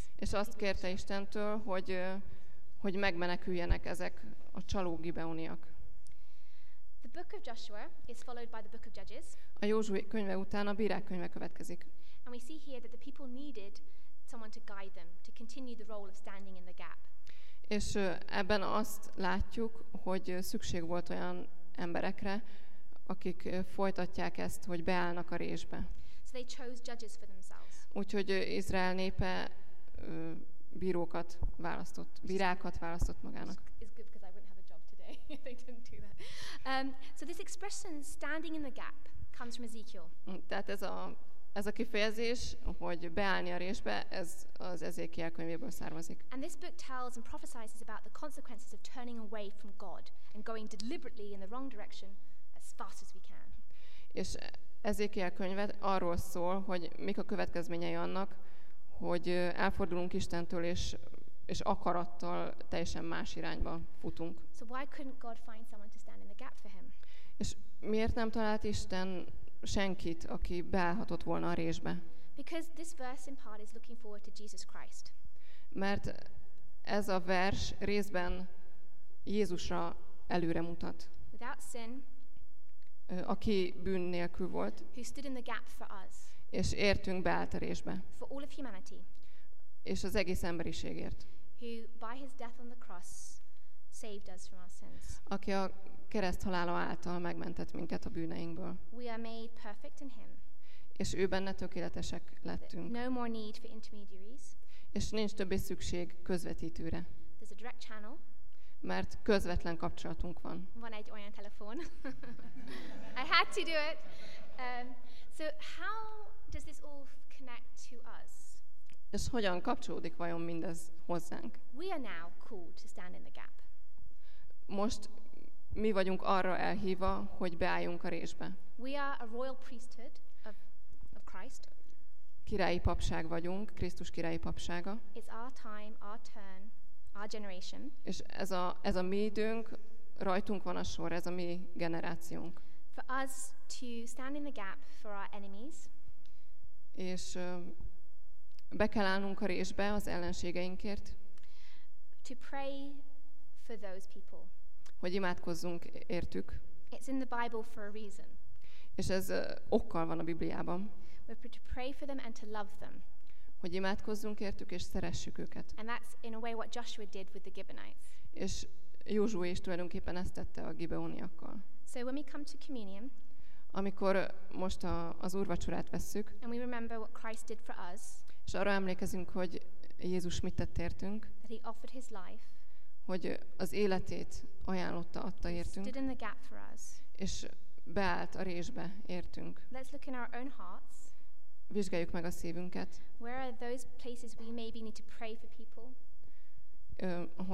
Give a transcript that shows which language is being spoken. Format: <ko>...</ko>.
<hu>És azt kérte Istentől, hogy megmeneküljenek ezek a csaló Gibeoniak.</hu> <en>The book of Joshua is followed by the book of Judges.</en> <hu>A Józsué könyve után a Bírák könyve következik.</hu> <en>And we see here that the people needed someone to guide them, to continue the role of standing in the gap.</en> <hu>És ebben azt látjuk, hogy szükség volt olyan emberekre, akik folytatják ezt, hogy beállnak a résbe.</hu> <en>So they chose judges for themselves.</en> <hu>Úgyhogy Izrael népe bírókat választott, bírákat választott magának.</hu> <en>It's good because I wouldn't have a job today if they didn't do that. So this expression standing in the gap comes from Ezekiel.</en> <hu>Tehát ez a kifejezés, hogy beállni a résbe, ez az Ezékiel könyvéből származik.</hu> <en>And this book tells and prophesizes about the consequences of turning away from God and going deliberately in the wrong direction as fast as we can.</en> <hu>És Ezékiel könyve arról szól, hogy mik a következményei annak, hogy elfordulunk Istentől és akarattal teljesen más irányba futunk.</hu> <en>So why couldn't God find someone to stand in the gap for him?</en> <hu>És miért nem talált Isten senkit, aki beállhatott volna a résbe?</hu> <en>Because this verse in part is looking forward to Jesus Christ.</en> <hu>Mert ez a vers részben Jézusra előre mutat.</hu> <en>Without sin,</en> <hu>aki bűn nélkül volt.</hu> <en>Who stood in the gap for us.</en> <hu>És értünk beállt a résbe.</hu> <en>For all of humanity.</en> <hu>És az egész emberiségért.</hu> <en>Who by his death on the cross saved us from our sins.</en> <hu>Aki a kereszt halála által megmentett minket a bűneinkből.</hu> <en>We are made perfect in him.</en> <hu>És ő benne tökéletesek lettünk.</hu> <en>No more need for intermediaries.</en> <hu>És nincs többé szükség közvetítőre.</hu> <en>There's a direct channel.</en> <hu>Mert közvetlen kapcsolatunk van. Van egy olyan telefon.</hu> <en>I had to do it. So how does this all connect to us?</en> <hu>És hogyan kapcsolódik vajon mindez hozzánk?</hu> <en>We are now called to stand in the gap.</en> <hu>Most mi vagyunk arra elhívva, hogy beálljunk a résbe.</hu> <en>We are a royal priesthood of Christ.</en> <hu>Királyi papság vagyunk, Krisztus királyi papsága.</hu> <en>It's our time, our turn, our generation.</en> <hu>És ez a mi időnk, rajtunk van a sor, ez a mi generációnk.</hu> <en>For us to stand in the gap for our enemies.</en> <hu>És be kell állnunk a résbe az ellenségeinkért.</hu> <en>To pray for those people.</en> <hu>Hogy imádkozzunk értük.</hu> <en>It's in the Bible for a reason.</en> <hu>És ez okkal van a Bibliában.</hu> <en>We're to pray for them and to love them.</en> <hu>Hogy imádkozzunk értük és szeressük őket.</hu> <en>And that's in a way what Joshua did with the Gibeonites.</en> <hu>És Józsué is tulajdonképpen ezt tette a gibeoniakkal.</hu> <en>So when we come to communion,</en> <hu>amikor most az úrvacsorát vesszük,</hu> <en>and we remember what Christ did for us,</en> <hu>és arra emlékezünk, hogy Jézus mit tett értünk,</hu> <en>that he offered his life,</en> <hu>hogy az életét ajánlotta, adta értünk,</hu> <en>stood in the gap for us,</en> <hu>és beállt a résbe értünk.</hu> <en>Let's look in our own hearts.</en> <hu>Vizsgáljuk meg a szívünket.</hu> <en>Where are those places we maybe need to pray for people?</en>